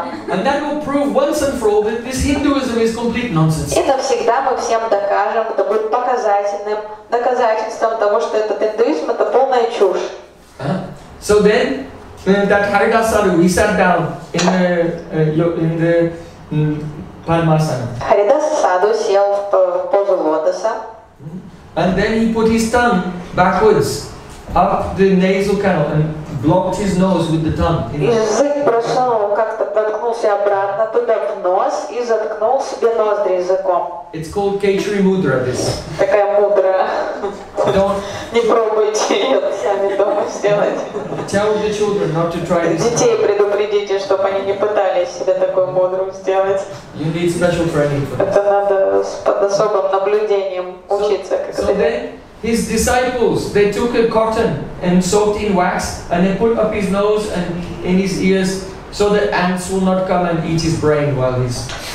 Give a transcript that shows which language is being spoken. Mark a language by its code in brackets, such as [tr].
[en] And that will prove once and for all that this Hinduism is complete nonsense. [ru] Это всегда мы всем докажем, это будет показательным доказательством того, что этот индуизм это полная чушь. [en] So then, that Haridas Sadhu, he sat down in the Padmasana. [ru] Haridas Sadhu сел в позу лотоса. [en] And then he put his tongue backwards up the nasal canal and blocked his nose with the tongue. [ru] Язык просунул, как-то проткнулся обратно туда в нос и заткнул себе ноздри языком. [en] It's called Kaitri Mudra, this. [ru] Такая мудра. [en] Don't [ru] не пробуйте ее сами дома сделать. [en] Tell the children not to try this. [ru] Детей предупредите, чтобы они не пытались себе такую мудру сделать. [en] You need special training for that. [ru] Это надо под особым наблюдением учиться, как это делать. [en] His disciples, they took a cotton and soaked in wax and they put up his nose and in his ears so that ants will not come and eat his brain while he's...